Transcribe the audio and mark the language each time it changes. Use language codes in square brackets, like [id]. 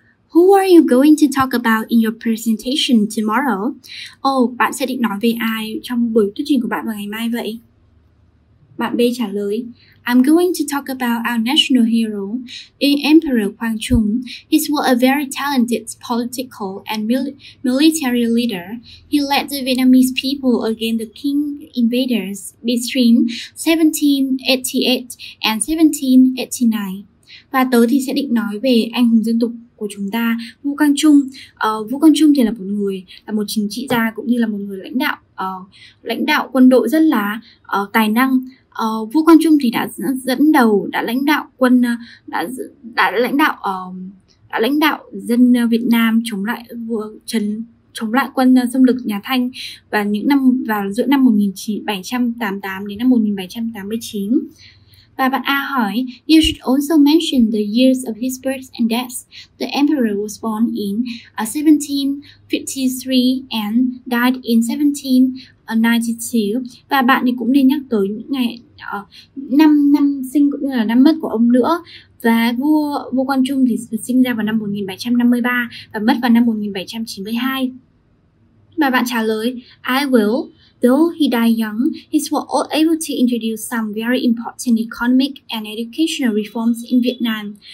[en] Who are you going to talk about in your presentation tomorrow? [vi] Oh, bạn sẽ định nói về ai trong buổi thuyết trình của bạn vào ngày mai vậy? Bạn B trả lời, [en] I'm going to talk about our national hero, Emperor Quang Trung. He was a very talented political and military leader. He led the Vietnamese people against the Qing invaders between 1788 and 1789. [vi] Và tớ thì sẽ định nói về anh hùng dân tộc của chúng ta, Vua Quang Trung. Vua Quang Trung thì là một người, là một chính trị gia cũng như là một người lãnh đạo quân đội rất là tài năng. Vua Quang Trung thì đã dẫn đầu, đã lãnh đạo dân Việt Nam chống lại quân xâm lực nhà Thanh vào giữa năm 1788 đến năm 1789. Và bạn A hỏi, [en] you should also mention the years of his birth and death. The emperor was born in 1753 and died in 1792. [vi] Và bạn thì cũng nên nhắc tới những ngày năm sinh cũng như là năm mất của ông nữa. Và vua Quang Trung thì sinh ra vào năm 1753 và mất vào năm 1792. Và bạn trả lời, [en] I will. Though he died young, he was able to introduce some very important economic and educational reforms in Vietnam.